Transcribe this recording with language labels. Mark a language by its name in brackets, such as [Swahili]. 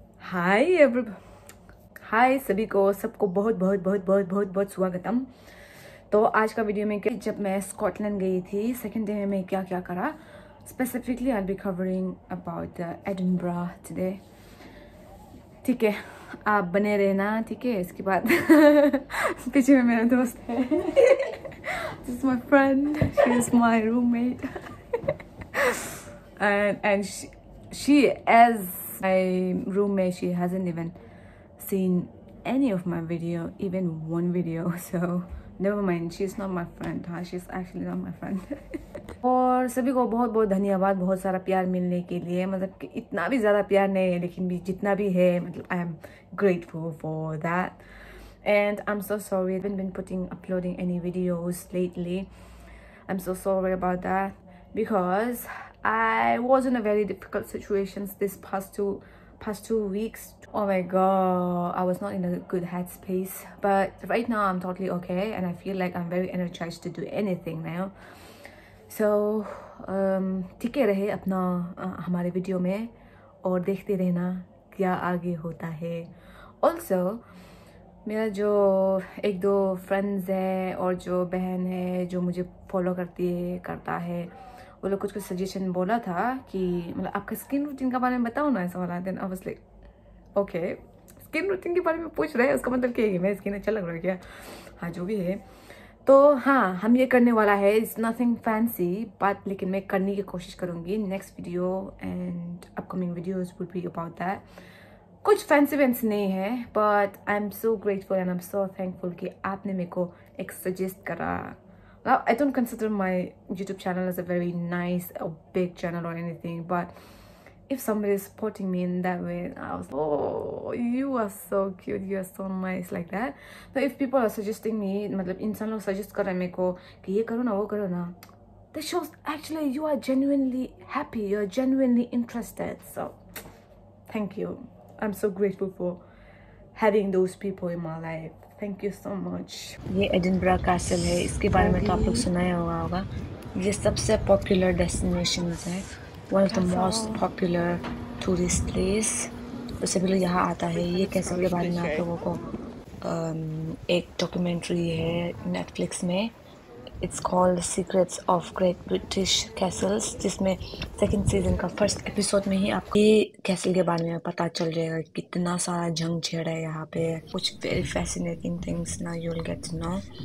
[Hindi] हाय every हाय सभी को, सबको बहुत बहुत बहुत बहुत बहुत बहुत स्वागतम। तो आज का वीडियो में जब मैं स्कॉटलैंड गई थी सेकंड डे में मैं क्या क्या करा, [English] Specifically I will be covering about Edinburgh today. [Hindi] ठीक है, आप बने रहना। ठीक है, इसके बाद पीछे में मेरा दोस्त है, [English] This is my friend, she is my roommate and she as my roommate, she hasn't even seen any of my video, even one video, so never mind, she's not my friend, huh? She's actually not my friend. [Hindi] और सभी को बहुत बहुत धन्यवाद बहुत सारा प्यार मिलने के लिए, मतलब कि इतना भी ज़्यादा प्यार नहीं है लेकिन भी जितना भी है, [English] मतलब I am grateful for that and I am so sorry I haven't been uploading any videos lately, I am so sorry about that because I was in a very difficult situation this past two weeks. Oh my god, I was not in a good headspace. But right now I'm totally okay and I feel like I'm very energized to do anything now. [Hindi] So ठीक है, रहे अपना हमारे video में और देखते रहना क्या आगे होता है। Also, मेरा जो एक दो friends है और जो बहन है जो मुझे follow करता है वो लोग कुछ कुछ सजेशन बोला था कि मतलब आपका स्किन रूटीन के बारे में बताओ ना, ऐसा वाला। [English] then I was like okay, [Hindi] skin routine के बारे में पूछ रहे हैं, उसका मतलब क्या है, मेरा स्किन अच्छा लग रहा है क्या? हाँ, जो भी है। तो हाँ, हम ये करने वाला है, [English] it's nothing fancy but [Hindi] लेकिन मैं करने की कोशिश करूँगी। [English] Next video and upcoming videos would be about that. [Hindi] कुछ फैंसी वैंस नहीं है [English] but I am so grateful and I am so thankful [Hindi] कि आपने मेरे को एक सजेस्ट करा। [English] Now, I don't consider my YouTube channel as a very nice or big channel or anything, but if somebody is supporting me in that way, I was like, oh, you are so cute, you are so nice like that. But if people are suggesting me, [Hindi] matlab insan log suggest kar rahe hain ko ki ye karo na [English] wo karo na, this shows actually you are genuinely happy, you are genuinely interested. So thank you, I'm so grateful for having those people in my life. Thank you so much. [Hindi] ये Edinburgh castle है, इसके बारे में तो आप लोग सुनाया हुआ होगा। ये सबसे पॉपुलर डेस्टिनेशन है, [English] one of the most popular tourist place, [Hindi] तो सभी लोग यहाँ आता है। ये कैसल के बारे में आप लोगों को एक डॉक्यूमेंट्री है नेटफ्लिक्स में, [English] it's called secrets of great British castles, [Hindi] जिसमें सेकेंड सीजन का फर्स्ट एपिसोड में ही आपको ये कैसल के बारे में पता चल जाएगा, कितना सारा जंग छेड़ है यहाँ पे, कुछ वेरी फैसिनेटिंग थिंग्स ना यू विल गेट नो।